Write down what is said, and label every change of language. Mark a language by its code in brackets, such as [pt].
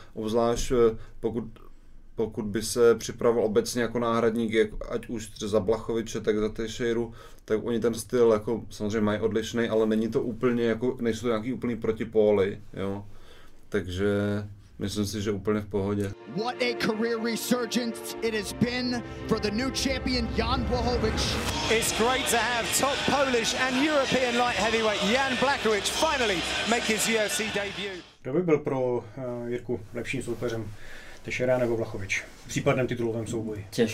[cs] Obzvlášť pokud by se připravoval obecně jako náhradník, ať už za Blachoviče, tak za Teixeiru, tak oni ten styl jako samozřejmě mají odlišný, ale není to úplně jako, nejsou to nějaký úplný protipóly, jo. Takže myslím si, že úplně v pohodě. [en] What a career resurgence it has been for the new champion Jan Błachowicz. It's great to have top Polish and European light heavyweight Jan Błachowicz finally make his UFC debut. [cs] Kdo by byl pro Jirku lepším soupeřem? Teixeira nebo Błachowicz v případném titulovém souboji?